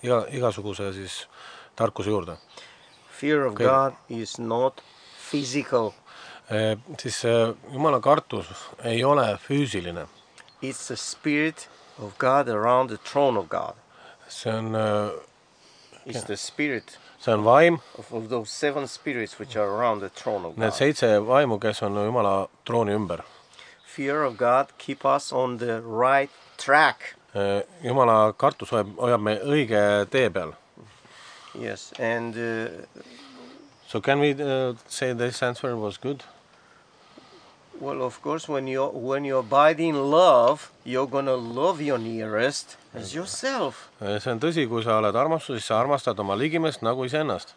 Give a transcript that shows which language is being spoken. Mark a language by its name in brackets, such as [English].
[Estonian] igasuguse siis tarkuse juurde. [English] Fear of God is not physical. [Estonian] Siis Jumala kartus ei ole füüsiline. [English] It's the spirit of God around the throne of God. [Estonian] See on [English] it's the spirit. [Estonian] See on vaim [English] of those seven spirits which are around the throne of God. [Estonian] Need seitse vaimu, kes on Jumala trooni ümber. [English] Fear of God keep us on the right track. [Estonian] Jumala kartus hoiab me õige tee peal. [English] Yes, and so can we say this answer was good? Well, of course, when you abide in love, you're going to love your nearest as yourself. [Estonian] See on tõsi, kui sa oled armastus, siis sa armastad oma ligimest nagu ise ennast.